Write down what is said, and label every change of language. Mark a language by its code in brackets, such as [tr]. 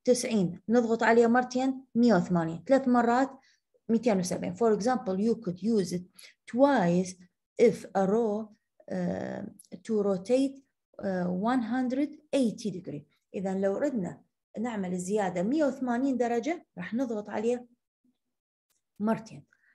[ar] 90 نضغط عليها مرتين 180، ثلاث مرات 270. [en] For example, you could use it twice if a row to rotate 180 degree. [ar] إذا لو ردنا نعمل الزيادة 180 درجة راح نضغط عليها مرتين.